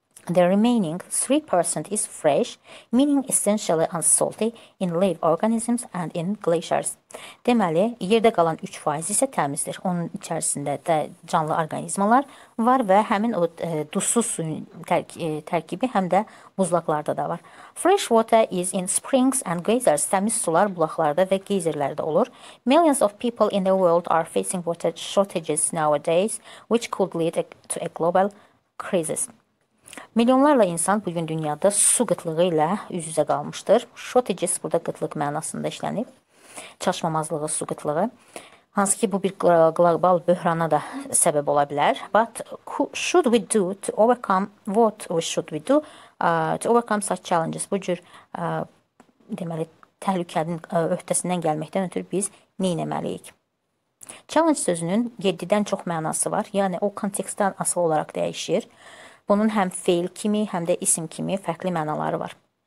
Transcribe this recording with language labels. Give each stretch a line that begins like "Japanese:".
English: The remaining 3% is fresh, meaning essentially unsalty in live organisms and in glaciers.
Azerbaijani: Deməli, yerdə qalan 3% isə təmizdir. Onun içərisində də canlı orqanizmalar var və həmin o duzsuz suyun tərkibi həm də buzlaqlarda da var.
English: Fresh water is in springs and geysers.
Azerbaijani: Təmiz sular bulaqlarda və geyzerlərdə olur.
English: Millions of people in the world are facing water shortages nowadays, which could lead to a global crisis.
Azerbaijani: Milyonlarla insan bugün dünyada su qıtlığı ilə üz-üzə qalmışdır. Shortages burada qıtlıq mənasında işlənib. Çatışmamazlığı, su qıtlığı. Hansı ki bu bir qlobal böhrana da səbəb ola bilər.
English: But should we do to overcome what we should we do to overcome such challenges?
Azerbaijani: Bu cür deməli təhlükənin öhdəsindən gəlməkdən ötürü biz neynəməliyik? Challenge sözünün 7-dən çox mənası var. Yəni o kontekstdən asılı olaraq dəyişir. Bunun həm fail kimi, həm də isim kimi fərqli mənaları var.